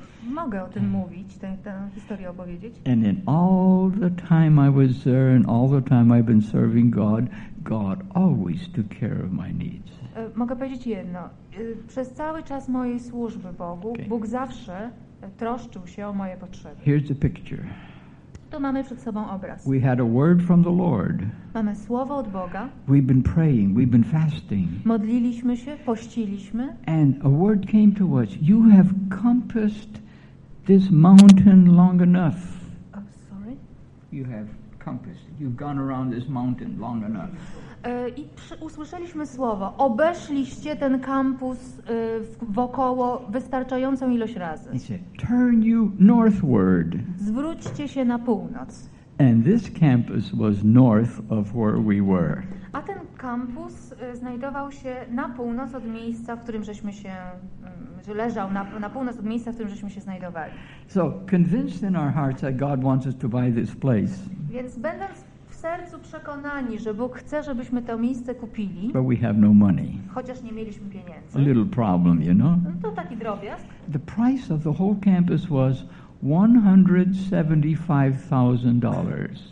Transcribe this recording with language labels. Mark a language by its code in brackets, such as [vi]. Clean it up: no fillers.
[pl] Mogę o tym mówić, tę historię opowiedzieć. [en] And in all the time I was there, and all the time I've been serving God, God always took care of my needs. [pl] Mogę powiedzieć jedno. Przez cały czas mojej służby Bogu, okay. Bóg zawsze troszczył się o moje potrzeby. [en] Here's the picture. [pl] Tu mamy przed sobą obraz. [en] We had a word from the Lord. [pl] Mamy słowo od Boga. [en] We've been praying, we've been fasting. [pl] Modliliśmy się, pościliśmy. [en] And a word came to us. You have compassed this mountain long enough. Oh, sorry. You have compassed. You've gone around this mountain long enough. [pl] I usłyszeliśmy słowo. Obeszliście ten kampus wokoło wystarczającą ilość razy. [en] He said, turn you northward. [pl] Zwróćcie się na północ. [en] And this campus was north of where we were. [pl] A ten kampus znajdował się na północ od miejsca, w którym żeśmy się leżał na północ od miejsca, w którym żeśmy się znajdowali. [en] So convinced in our hearts that God wants us to buy this place. [pl] Więc będąc w sercu przekonani, że Bóg chce, żebyśmy to miejsce kupili. [en] But we have no money. [pl] Chociaż nie mieliśmy pieniędzy. [en] A little problem, you know? [pl] No to taki drobiazg. [en] The price of the whole campus was $175,000.